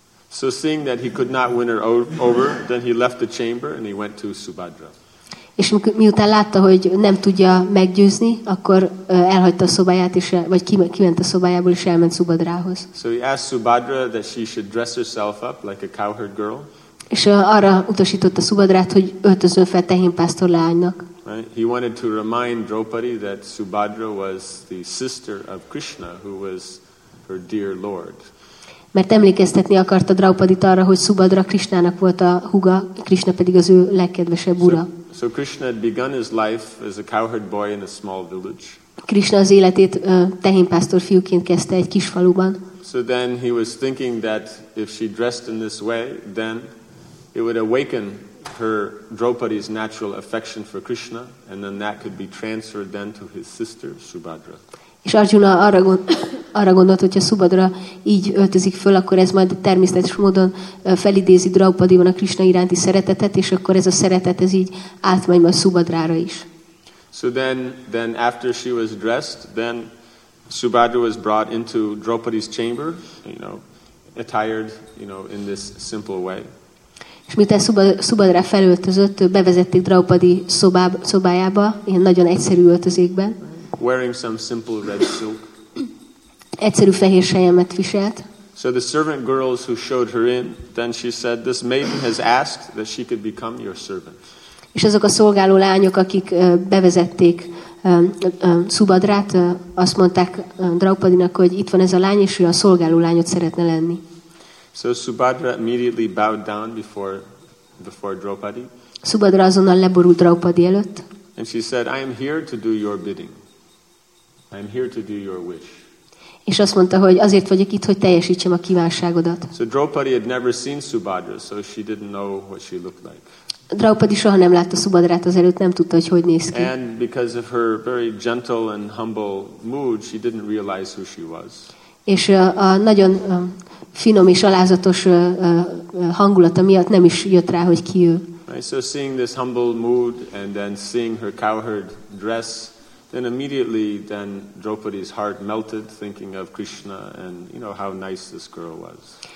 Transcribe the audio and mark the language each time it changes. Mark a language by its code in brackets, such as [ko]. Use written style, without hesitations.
[en] So seeing that he could not win her over, then he left the chamber and he went to Subhadra. [hu] És miután látta, hogy nem tudja meggyőzni, akkor elhagyta a szobáját is, vagy kiment a szobájából és elment Subhadrához. [en] So he asked Subhadra that she should dress herself up like a cowherd girl. [hu] És arra utasította Subhadrát, hogy öltözön fel tehénpásztor leánynak. [en] He wanted to remind Draupadi that Subhadra was the sister of Krishna, who was her dear lord. [hu] Mert emlékeztetni akarta Draupadit arra, hogy Subhadra Krishnának volt a húga, Krishna pedig az ő legkedvesebb ura. [en] So Krishna had begun his life as a cowherd boy in a small village. [hu] Krishna az életét tehénpásztor fiúként kezdte egy kis faluban. [en] So then he was thinking that if she dressed in this way, then it would awaken her Draupadi's natural affection for Krishna, and then that could be transferred then to his sister Subhadra. [hu] És Arjuna arra gondolt, hogy ha Subhadra így öltözik föl, akkor ez majd természetes módon felidézi Draupadiban a Krishna iránti szeretetet, és akkor ez a szeretet ez így átmegy majd Subhadrára is. [en] So then after she was dressed, then Subhadra was brought into Draupadi's chamber, you know, attired, you know, in this simple way. [hu] És miután Subhadra felöltözött, bevezették Draupadi szobájába, ilyen nagyon egyszerű öltözékben. [en] Wearing some simple red silk. [hu] Egyszerű fehér selyemet viselt. [en] So the servant girls who showed her in, then she said, "This maiden has asked that she could become your servant." [hu] És azok a szolgáló lányok, akik bevezették Subhadrát, azt mondták Draupadinak, hogy itt van ez a lány, és ő a szolgáló lányot szeretne lenni. [en] So Subhadra immediately bowed down before Draupadi. [hu] Subhadra azonnal leborult Draupadi előtt. [en] And she said, "I am here to do your bidding. I am here to do your wish." [hu] És azt mondta, hogy azért vagyok itt, hogy teljesítsem a kívánságodat. [en] So Draupadi had never seen Subhadra, so she didn't know what she looked like. [hu] Draupadi soha nem látta Subhadrát azelőtt, nem tudta, hogy néz ki. [en] And because of her very gentle and humble mood, she didn't realize who she was. [hu] És a nagyon finom és alázatos hangulata miatt nem is jött rá, hogy ki ő. [en] Right, so seeing this humble mood and then seeing her cowherd dress, then immediately then Draupadi's heart melted thinking of Krishna and you know how nice this girl was.